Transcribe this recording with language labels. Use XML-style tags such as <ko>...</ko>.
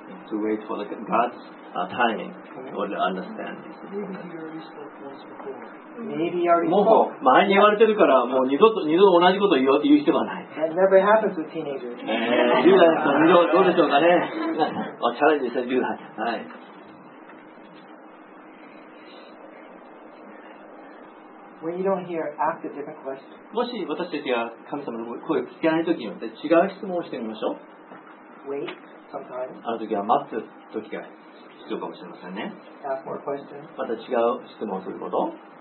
<en>To wait for the God's timing or the understanding.</en> <ja>もう前に言われてるから、もう二度同じことを言う必要はない。</ja> <en>That never happens with teenagers.</en> <ja>10代の人、どうでしょうかね。チャレンジした10代。はい。</ja> <en>When you don't hear, ask a different question.</en> <ja>もし私たちが神様の声を聞けないときによって違う質問をしてみましょう。</ja> <en>Wait.</en> <ja>ある時は待つ時が必要かもしれませんね。また違う質問をすること。</ja>